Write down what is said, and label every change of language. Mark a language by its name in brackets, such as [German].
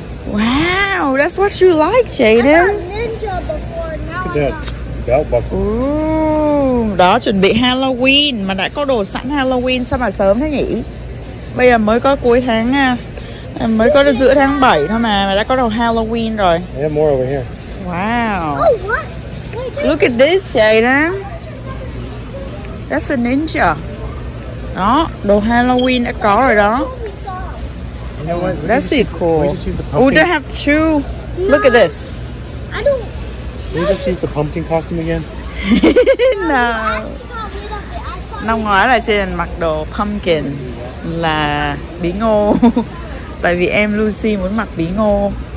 [English] Wow, that's what you like, Jaden. I bought Ninja before, now belt buckle. [Vietnamese] Ooh, đó, chuẩn bị Halloween. Mà đã có đồ sẵn Halloween, sao mà sớm thế nhỉ? Bây giờ mới có cuối tháng nha. Mới có được giữa tháng 7 thôi mà đã có đầu Halloween rồi. [English] I have more over here. Wow. Oh, what? Wait, look at this, Jaden. That's a ninja. [Vietnamese] Đó, đồ Halloween đã có rồi đó. [English] You know what? That's cool. We don't have two. No. Look at this. I don't. Can we just use the pumpkin costume again? No. [Vietnamese] Năm ngoái là trên mặc đồ pumpkin là bí ngô. Tại vì em Lucy muốn mặc bí ngô.